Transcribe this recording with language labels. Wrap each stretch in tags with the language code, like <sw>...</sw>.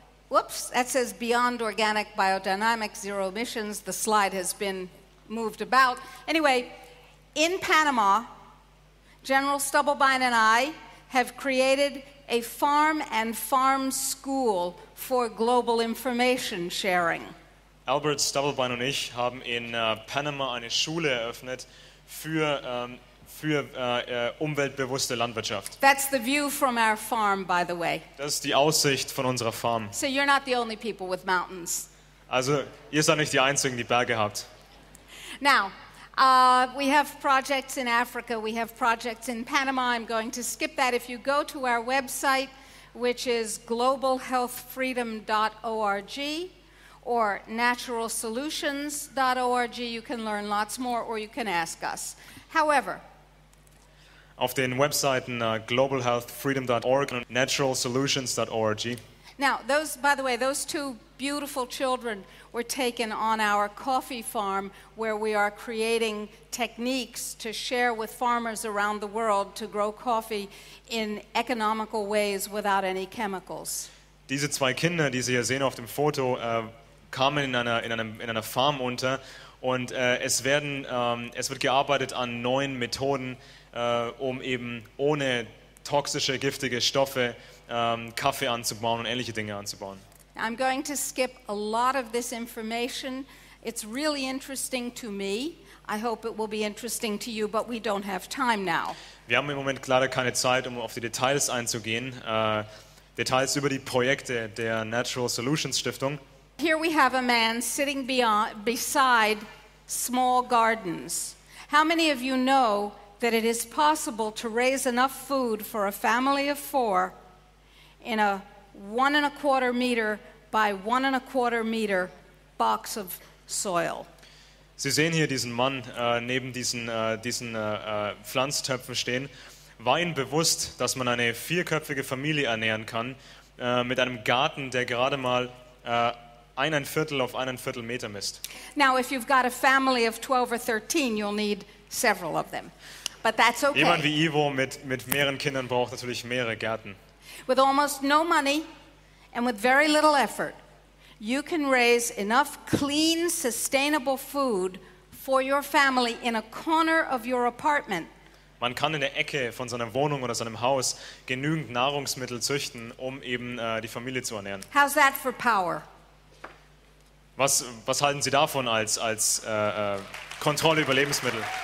<en>Whoops, that says beyond organic biodynamics, zero emissions. The slide has been moved about. Anyway, in Panama, General Stubblebine and I have created a farm and farm school for global information sharing.</en> <de>Albert Stubblebine und ich haben in Panama eine Schule eröffnet für umweltbewusste Landwirtschaft.</de> <en>That's the view from our farm, by the way.</en> <de>Das ist die Aussicht von unserer Farm.</de> <en>So you're not the only people with mountains.</en> <de>Also, ihr seid nicht die Einzigen, die Berge habt.</de> <en>Now, we have projects in Africa, we have projects in Panama. I'm going to skip that. If you go to our website, which is globalhealthfreedom.org or naturalsolutions.org, you can learn lots more or you can ask us. However,</en> <de>auf den Webseiten globalhealthfreedom.org und naturalsolutions.org.</de> <en>Now, those, by the way, those two beautiful children were taken on our coffee farm, where we are creating techniques to share with farmers around the world to grow coffee in economical ways without any chemicals.</en> <de>Diese zwei Kinder, die Sie hier sehen auf dem Foto, kamen in einer Farm unter, und es wird gearbeitet an neuen Methoden, um eben ohne toxische, giftige Stoffe Kaffee anzubauen und ähnliche Dinge anzubauen.</de> <en>I'm going to skip a lot of this information. It's really interesting to me. I hope it will be interesting to you, but we don't have time now.</en> <de>Wir haben im Moment leider keine Zeit, um auf die Details einzugehen. Details über die Projekte der Natural Solutions Stiftung.</de> <en>Here we have a man sitting beside small gardens. How many of you know that it is possible to raise enough food for a family of four in a 1.25 meter by 1.25 meter box of soil?</en> <de>Sie sehen hier diesen Mann neben diesen Pflanztöpfen stehen. War Ihnen bewusst, dass man eine vierköpfige Familie ernähren kann mit einem Garten, der gerade mal 1.25 auf 1.25 Meter misst?</de> <en>Now, if you've got a family of 12 or 13, you'll need several of them. But that's okay.</en> <de>Jemand wie Ivo mit mehreren Kindern braucht natürlich mehrere Gärten.</de> <en>With almost no money and with very little effort, you can raise enough clean, sustainable food for your family in a corner of your apartment.</en> <de>Man kann in der Ecke von seiner Wohnung oder seinem Haus genügend Nahrungsmittel züchten, um eben die Familie zu ernähren.</de> <en>How's that for power?</en> <de>Was halten Sie davon als Kontrolle über Lebensmittel?</de>